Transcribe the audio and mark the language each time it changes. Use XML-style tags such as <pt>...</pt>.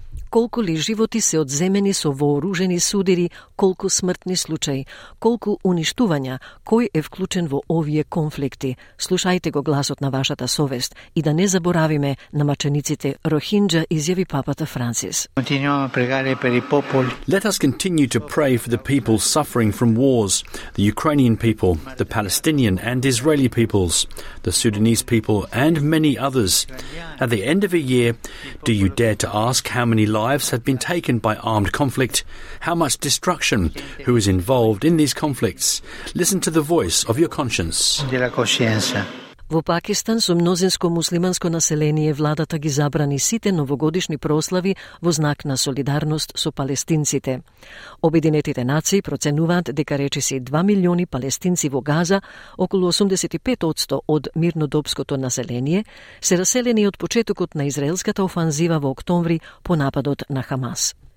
<mk>Колку ли животи се одземени со вооружени судири, колку смртни случаи, колку уништувања, кој е вклучен во овие конфликти, слушајте го гласот на вашата совест и да не заборавиме на мачениците Рохинџа, изјави папата Францис.</mk> <en>Let us continue to pray for the people suffering from wars, the Ukrainian people, the Palestinian and Israeli peoples, the Sudanese people and many others. At the end of a year, do you dare to ask how many lives have been taken by armed conflict, how much destruction, who is involved in these conflicts? Listen to the voice of your conscience.</en> <mk>Во Пакистан со мнозинско муслиманско население владата ги забрани сите новогодишни прослави во знак на солидарност со палестинците. Обединетите нации проценуваат дека речиси 2 милиони палестинци во Газа, околу 85% од мирнодопското население, се раселени од почетокот на израелската офанзива во октомври по нападот на Хамас.</mk>